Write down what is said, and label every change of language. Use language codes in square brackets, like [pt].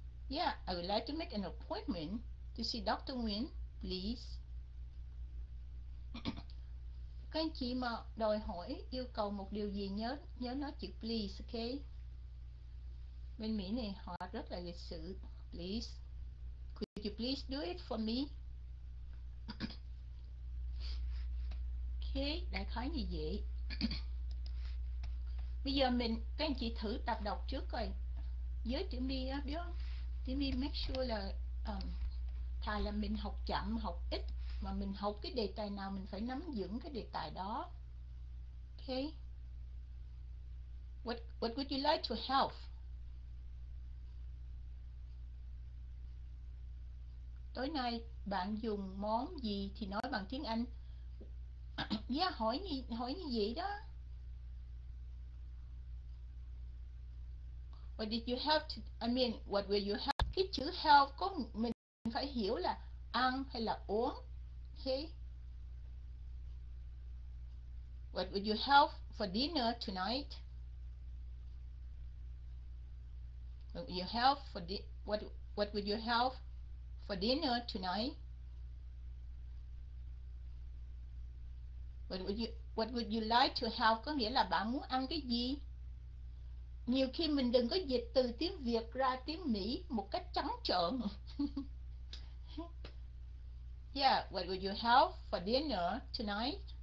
[en] Yeah, I would like to make an appointment to see Dr. Nguyễn, please. [vi] Các anh chị mà đòi hỏi, yêu cầu một điều gì nhớ, nhớ nói chữ please, okay? Bên Mỹ này họ rất là lịch sự. [en] Please, could you please do it for me? [vi] Okay, đại khái như vậy. Bây giờ mình, các anh chị thử tập đọc trước coi. Với chữ mi á, biết không? Chữ mi [en] make sure [vi] là thà là mình học chậm, học ít, mà mình học cái đề tài nào mình phải nắm vững cái đề tài đó. Okay. [en] What would you like to help? [vi] Tối nay bạn dùng món gì thì nói bằng tiếng Anh. Yeah, hỏi như vậy đó. [en] What did you have to, I mean, what will you have? [vi] Cái chữ have có mình phải hiểu là ăn hay là uống. [en] Okay. What will you have for dinner tonight? What will you have for dinner tonight? What would you like to have? [vi] Có nghĩa là bạn muốn ăn cái gì? Nhiều khi mình đừng có dịch từ tiếng Việt ra tiếng Mỹ một cách trắng trợn. [en] Yeah, what would you have for dinner tonight?